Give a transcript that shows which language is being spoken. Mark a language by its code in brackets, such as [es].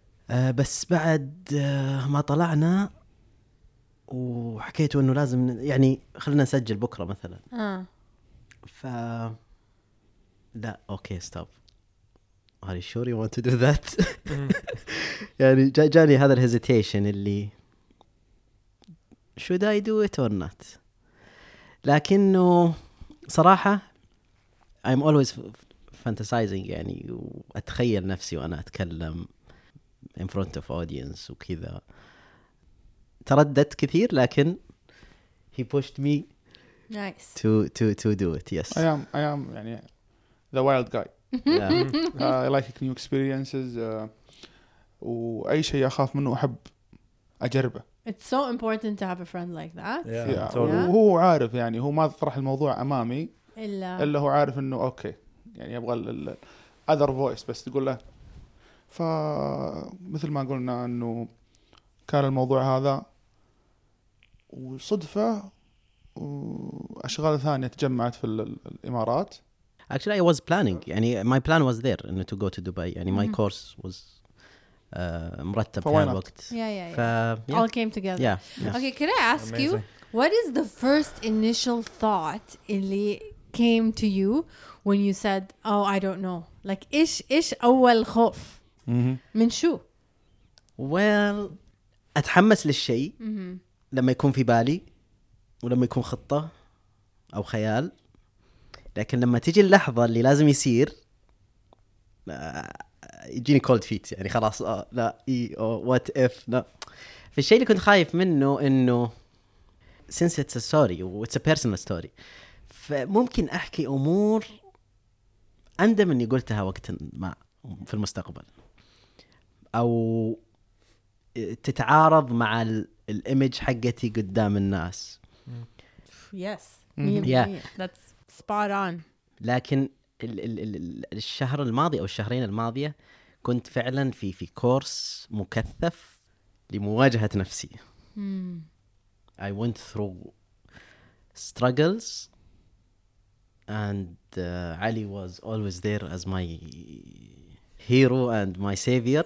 [ar] بس بعد ما طلعنا وحكيتوا إنه لازم يعني خلنا نسجل بكرة مثلاً. لا أوكي ستوب. [en] Are you sure you want to do that? [ar] يعني جاني هذا الهيزيتيشن اللي [en] should I do it or not. [ar] لكنه صراحة [en] I'm always fantasizing [ar] يعني وأتخيل نفسي وأنا أتكلم [en] in front of audience [ar] وكذا. ترددت كثير لكن [en] he pushed me nice to do it. Yes, I am يعني the wild guy. Yeah. I like new experiences. [ar] وأي شيء أخاف منه أحب أجربه. [en] It's so important to have a friend like that. Yeah. Totally. Yeah. [ar] وهو عارف يعني هو ما طرح الموضوع أمامي. إلا هو عارف إنه أوكي يعني يبغى ال [en] other voice [ar] بس تقول له. فمثل ما قلنا إنه كان الموضوع هذا وصدفة وأشغال ثانية تجمعت في الإمارات. [en] Actually, I was planning. يعني my plan was there, and to go to Dubai. [ar] يعني [en] my course was [ar] مرتب في الوقت. [en] Yeah. All came together. Yeah. Yes. Okay. Can I ask Amazing. You what is the first initial thought اللي came to you when you said, "Oh, I don't know." [ar] Like, إيش أول خوف من شو? Well, أتحمس للشيء لما يكون في بالي ولما يكون خطة أو خيال. لكن لما تيجي اللحظة اللي لازم يصير يجيني [en] cold feet [ar] يعني خلاص لا [en] what if no. [ar] في الشيء اللي كنت خايف منه إنه [en] since it's a story it's a personal story [ar] فممكن أحكي أمور أندم إني قلتها وقت ما في المستقبل أو تتعارض مع الإيمج حقتي قدام الناس. [en] Yes. Yeah. That's spot on. [ar] لكن الشهر الماضي أو الشهرين الماضية كنت فعلا في كورس مكثف لمواجهة نفسي. [en] I went through struggles and Ali was always there as my hero and my savior.